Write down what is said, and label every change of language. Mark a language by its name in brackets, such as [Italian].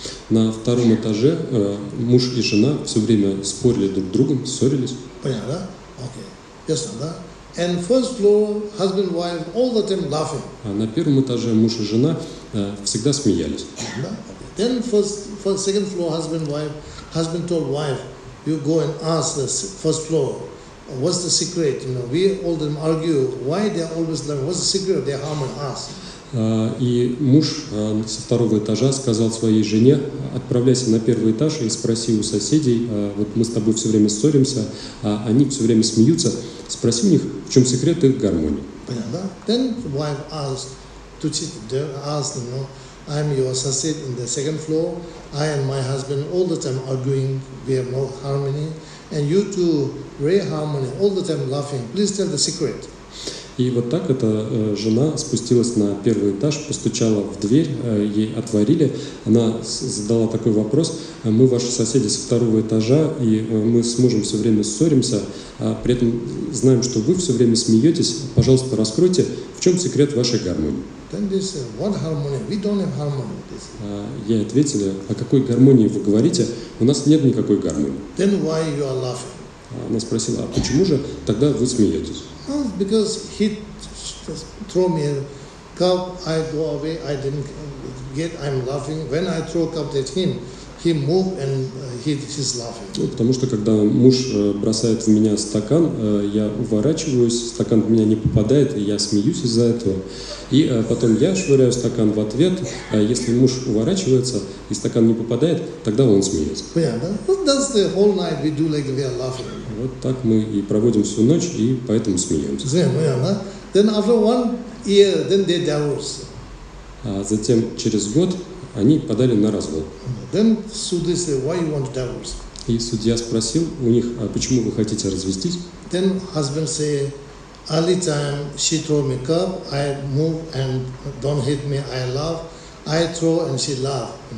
[Russian] На втором этаже муж и жена все время спорили друг с другом, ссорились. Понятно, да? Окей. Ясно, да? [English] And first floor, husband, wife, all the time laughing. [Russian] А на первом этаже муж и жена всегда смеялись. Да? Окей. [English] Then first, second floor, husband, wife, husband told wife, you go and ask the first floor, what's the secret? You know, we all them argue, why they always learn, what's the secret of their harm and us? [Russian] И муж со второго этажа сказал своей жене, отправляйся на первый этаж и спроси у соседей, вот мы с тобой все время ссоримся, а они все время смеются, спроси у них, в чем секрет их гармонии. Понятно, да? [English] Then wife asked, you know, I'm your associate in the second floor, I and my husband all the time arguing, we have no harmony, and you two very harmony, all the time laughing, please tell the secret. [Russian] И вот так эта жена спустилась на первый этаж, постучала в дверь, ей отворили. Она задала такой вопрос: мы ваши соседи со второго этажа, и мы с мужем все время ссоримся, а при этом знаем, что вы все время смеетесь. Пожалуйста, раскройте, в чем секрет вашей гармонии? [English] Then they say, what harmony? We don't have harmony. [Russian] Я ответила: о какой гармонии вы говорите? У нас нет никакой гармонии. [English] Then why you are laughing? [Russian] Она спросила: а почему же тогда вы смеетесь? [English] Well, because he threw me a cup, I go away, I didn't get, I'm laughing. When I throw a cup at him, he moved and he's laughing. [Russian] Ну, потому что когда муж бросает в меня стакан, я уворачиваюсь, стакан в меня не попадает, и я смеюсь из-за этого. И потом я швыряю стакан в ответ, если муж уворачивается и стакан не попадает, тогда он смеется. Понятно? [English] Yeah, that's the whole night we do like we are laughing. [Russian] Вот так мы и проводим всю ночь, и поэтому смеемся. [English] Понятно, yeah, да? Then after 1 year, then they divorce. [Russian] А затем через год они подали на развод. [English] Then судья said, why you want to divorce? [Russian] И судья спросил у них, а почему вы хотите развестись? [English] Then husband say, early time she throw me cup, I move and don't hit me, I laugh, I throw and she laugh.